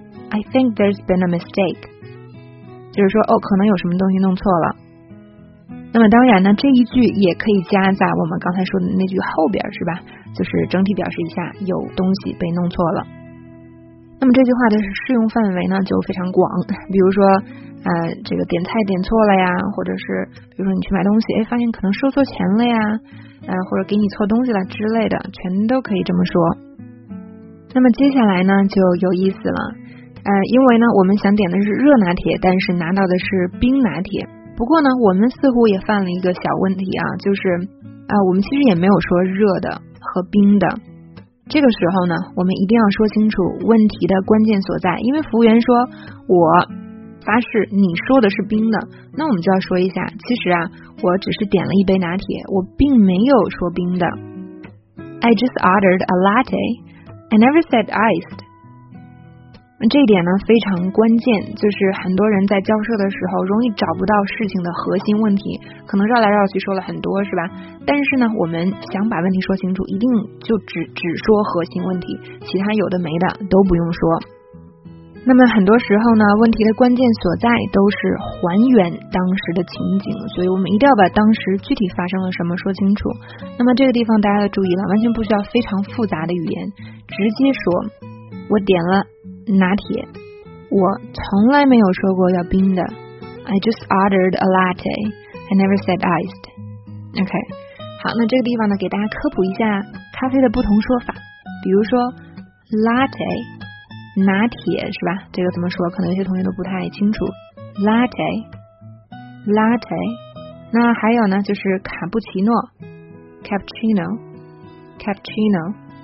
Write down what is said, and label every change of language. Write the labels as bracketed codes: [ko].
[en] I think there's been a mistake. [zh] 就是说哦，可能有什么东西弄错了。那么当然呢，这一句也可以加在我们刚才说的那句后边，是吧？就是整体表示一下有东西被弄错了。那么这句话的适用范围呢就非常广，比如说这个点菜点错了呀，或者是比如说你去买东西发现可能收错钱了呀，或者给你错东西了之类的，全都可以这么说。那么接下来呢就有意思了，因为呢我们想点的是热拿铁，但是拿到的是冰拿铁。不过呢我们似乎也犯了一个小问题啊，就是我们其实也没有说热的和冰的。这个时候呢我们一定要说清楚问题的关键所在，因为服务员说我发誓你说的是冰的，那我们就要说一下，其实啊我只是点了一杯拿铁，我并没有说冰的。 [en] I just ordered a latte. I never said iced. [zh] 这一点呢非常关键，就是很多人在交涉的时候容易找不到事情的核心问题，可能绕来绕去说了很多，是吧？但是呢，我们想把问题说清楚，一定就只说核心问题，其他有的没的都不用说。那么很多时候呢，问题的关键所在都是还原当时的情景，所以我们一定要把当时具体发生了什么说清楚。那么这个地方大家要注意了，完全不需要非常复杂的语言，直接说我点了拿铁，我从来没有说过要冰的。 [en] I just ordered a latte, I never said iced. [zh] OK, 好，那这个地方呢给大家科普一下咖啡的不同说法。比如说 latte,拿铁是吧，这个怎么说可能有些同学都不太清楚， Latte Latte。那还有呢，就是卡布奇诺， Cappuccino Cappuccino。